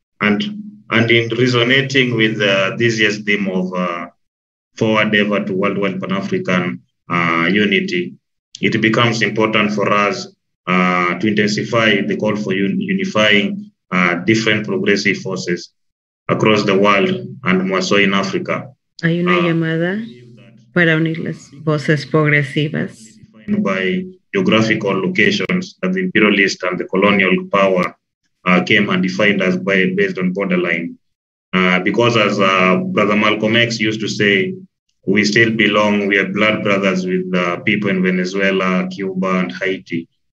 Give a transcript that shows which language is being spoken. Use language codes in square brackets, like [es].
[en] And in resonating with this year's theme of forward ever to worldwide Pan-African unity, it becomes important for us to intensify the call for unifying different progressive forces across the world and more so in Africa. [es] Hay una llamada para unir las voces progresivas. [en] Defined by geographical locations that the imperialist and the colonial power came and defined us by based on borderline. Because as Brother Malcolm X used to say, we still belong, we are blood brothers with the people in Venezuela, Cuba, and Haiti.